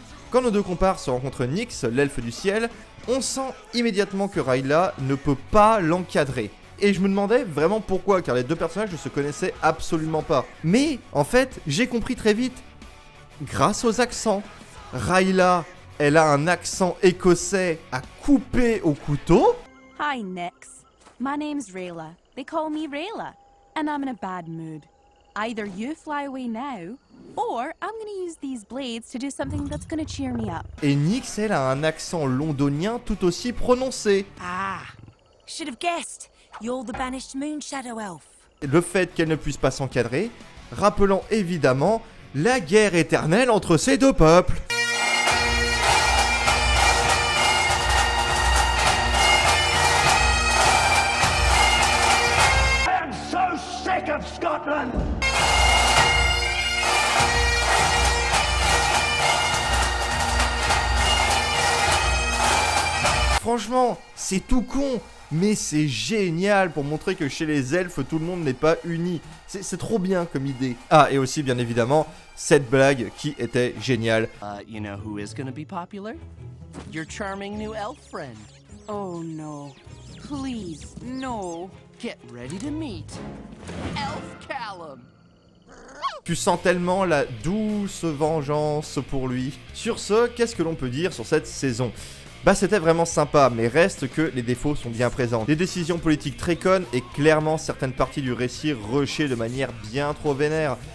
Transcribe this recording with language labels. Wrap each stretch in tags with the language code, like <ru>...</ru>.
<fr>Quand nos deux compars se rencontrent Nyx, l'elfe du ciel, on sent immédiatement que Ryla ne peut pas l'encadrer. Et je me demandais vraiment pourquoi, car les deux personnages ne se connaissaient absolument pas. Mais, en fait, j'ai compris très vite, grâce aux accents, Ryla, elle a un accent écossais à couper au couteau.</fr> <en>Hi Nyx, my name's Ryla. They call me Ryla, and I'm in a bad mood. Either you fly away now, or I'm gonna use these blades to do something that's gonna cheer me up.</en> <fr>Et Nyx, elle a un accent londonien tout aussi prononcé.</fr> <en>Ah, should have guessed. You're the banished moon shadow elf.</en> <fr>Le fait qu'elle ne puisse pas s'encadrer, rappelant évidemment la guerre éternelle entre ces deux peuples. Franchement, c'est tout con, mais c'est génial pour montrer que chez les elfes, tout le monde n'est pas uni. C'est trop bien comme idée. Ah, et aussi, bien évidemment, cette blague qui était géniale.</fr> <en>You know who is gonna be popular? Your charming new elf friend. Oh no, please, no. Get ready to meet Elf Callum.</en> <fr>Tu sens tellement la douce vengeance pour lui. Sur ce, qu'est-ce que l'on peut dire sur cette saison? Bah c'était vraiment sympa, mais reste que les défauts sont bien présents. Des décisions politiques très connes et clairement certaines parties du récit rushées de manière bien trop vénère.</fr>